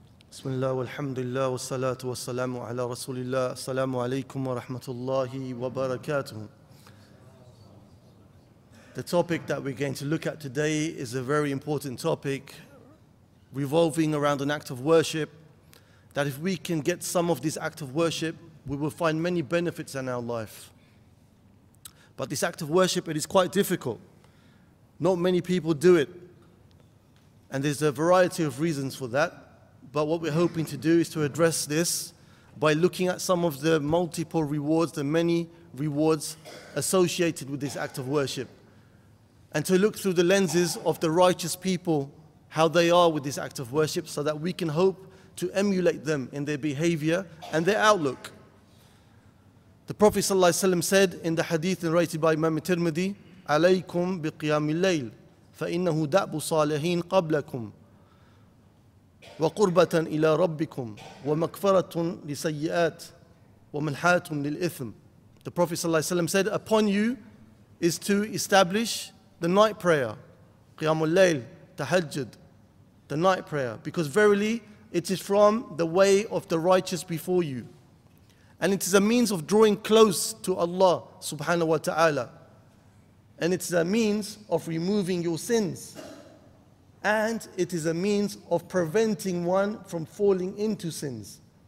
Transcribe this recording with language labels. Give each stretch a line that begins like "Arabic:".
Arabic: بسم الله والحمد لله والصلاة والسلام على رسول الله السلام عليكم ورحمة الله وبركاته.
English: The topic that we're going to look at today is a very important topic revolving around an act of worship that if we can get some of this act of worship, we will find many benefits in our life. But this act of worship, it is quite difficult. Not many people do it. And there's a variety of reasons for that. But what we're hoping to do is to address this by looking at some of the multiple rewards, the many rewards associated with this act of worship, and to look through the lenses of the righteous people, how they are with this act of worship, so that we can hope to emulate them in their behavior and their outlook. The Prophet sallallahu alaihi wasallam said in the hadith narrated by Imam Tirmidhi,
Arabic: "Alaykum biqiyam al-layl, fa'innahu da'bu salihin qablakum." وقربة إلى ربكم ومغفرة لسيئات ومنحاة للإثم.
English: The Prophet sallallahu alaihi wasallam said, upon you is to establish the night prayer, قيام الليل, تهجد, the night prayer, because verily it is from the way of the righteous before you, and it is a means of drawing close to Allah subhanahu wa ta'ala, and it is a means of removing your sins, and it is a means of preventing one from falling into sins.